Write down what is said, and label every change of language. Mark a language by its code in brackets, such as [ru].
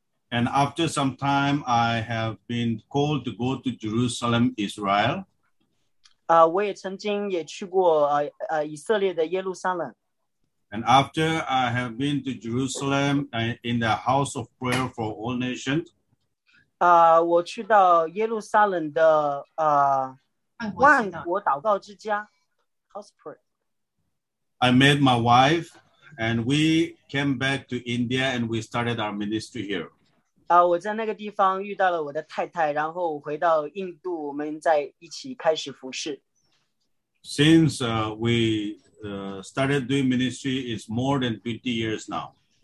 [en] And after some time, I have been called to go to Jerusalem, Israel. [zh] 我也曾经也去过以色列的耶路撒冷。 [en] And after I have been to Jerusalem in the house of prayer for all nations. [zh] 我去到耶路撒冷的万国祷告之家。 [en] House of prayer. I met my wife and we came back to India and we started our ministry here. [zh] 我在那个地方遇到了我的太太，然后回到印度，我们在一起开始服事。 [en] Since we started doing ministry, it's more than 20 years now.